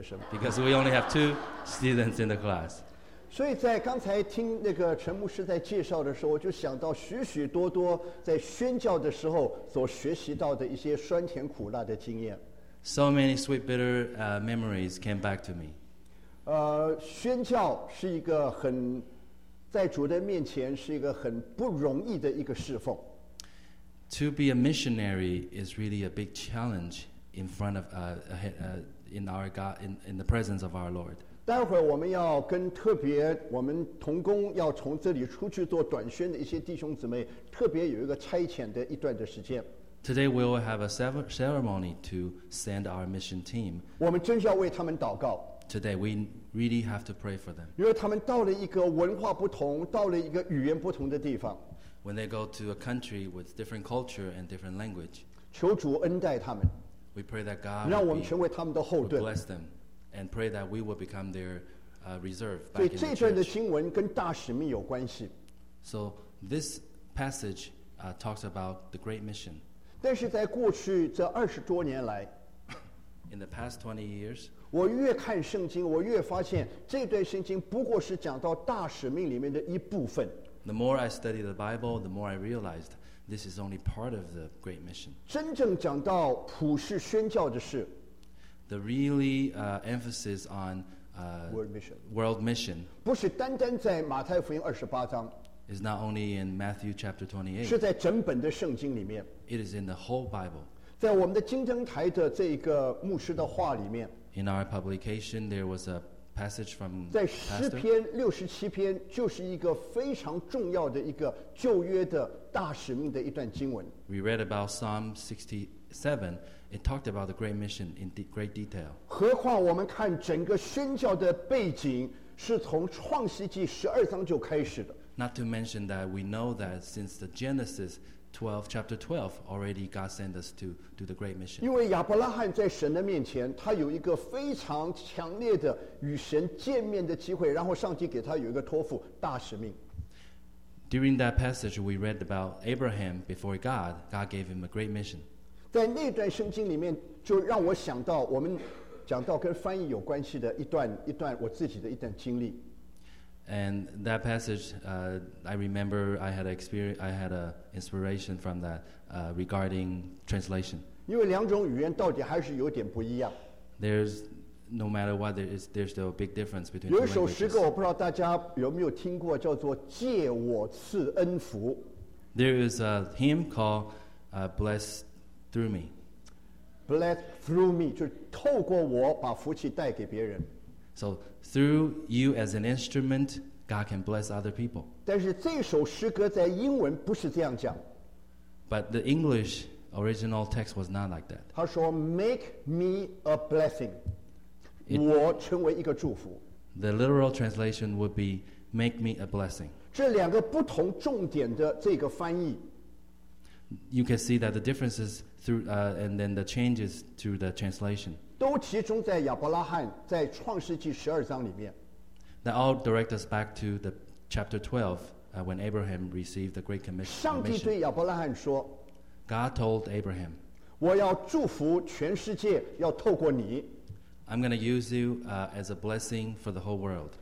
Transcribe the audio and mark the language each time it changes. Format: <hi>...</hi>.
<en>Because we only have two students in the class.</en> <zh>所以在刚才听那个陈牧师在介绍的时候，我就想到许许多多在宣教的时候所学习到的一些酸甜苦辣的经验。</zh> <en>So many sweet, bitter memories came back to me.</en> <zh>宣教是一个很在主的面前是一个很不容易的一个侍奉。</zh> <en>To be a missionary is really a big challenge in front of in our God in the presence of our Lord.</en> <zh>待会儿我们要跟特别我们同工要从这里出去做短宣的一些弟兄姊妹，特别有一个差遣的一段的时间。</zh> <en>Today we will have a ceremony to send our mission team.</en> <zh>我们真要为他们祷告。</zh> <en>Today we really have to pray for them.</en> <zh>因为他们到了一个文化不同，到了一个语言不同的地方。</zh> <en>When they go to a country with different culture and different language,</en> <zh>求主恩待他们,</zh> <en>we pray that God will bless them and pray that we will become their reserve.</en> <zh>所以这段的经文跟大使命有关系。</zh> <en>So this passage talks about the great mission.</en> <zh>但是在过去这二十多年来,</zh> <en>in the past 20 years,</en> <zh>我越看圣经，我越发现这段圣经不过是讲到大使命里面的一部分。</zh> <en>The more I study the Bible, the more I realized this is only part of the great mission.</en> <zh>真正讲到普世宣教的事,</zh> <en>the really emphasis on world mission,</en> <zh>不是单单在马太福音二十八章,</zh> <en>is not only in Matthew chapter 28,</en> <zh>是在整本的圣经里面,</zh> <en>it is in the whole Bible.</en> <zh>在我们的金灯台的这个牧师的话里面,</zh> <en>in our publication, there was a passage from</en> <zh>在诗篇六十七篇就是一个非常重要的一个旧约的大使命的一段经文。</zh> <en>We read about Psalm 67. It talked about the great mission in great detail.</en> <zh>何况我们看整个宣教的背景是从创世纪十二章就开始的。</zh> <en>Not to mention that we know that since the Genesis 12, chapter 12, already God sent us to do the great mission.</en> <zh>因为亚伯拉罕在神的面前，他有一个非常强烈的与神见面的机会，然后上帝给他有一个托付，大使命。</zh> <en>During that passage, we read about Abraham before God. God gave him a great mission.</en> <zh>在那段圣经里面，就让我想到我们讲到跟翻译有关系的一段我自己的一段经历。</zh> <en>And that passage, I remember I had an inspiration from that regarding translation.</en> <zh>因为两种语言到底还是有点不一样。</zh> <en>There's no matter what, there's still a big difference between.</en> <zh>有一首诗歌，我不知道大家有没有听过，叫做《借我赐恩福》。</zh> <en>There is a hymn called "Bless Through Me." Bless through me,</en> <zh>就是透过我把福气带给别人。</zh> <en>So through you as an instrument, God can bless other people.</en> <zh>但是这首诗歌在英文不是这样讲。</zh> <en>But the English original text was not like that.</en> <zh>他说</zh> <en>"Make me a blessing,"</en> <zh>我成为一个祝福。</zh> <en>The literal translation would be "Make me a blessing."</en> <zh>这两个不同重点的这个翻译。</zh> <en>You can see that the differences through and then the changes to the translation.</en> <zh>都集中在亚伯拉罕在创世纪十二章里面。</zh> <en>That all direct us back to the chapter 12, when Abraham received the great commission.</en> <zh>上帝对亚伯拉罕说，</zh> <en>God told Abraham,</en> <zh>我要祝福全世界，要透过你。</zh> <en>I'm going to use you as a blessing for the whole world.</en>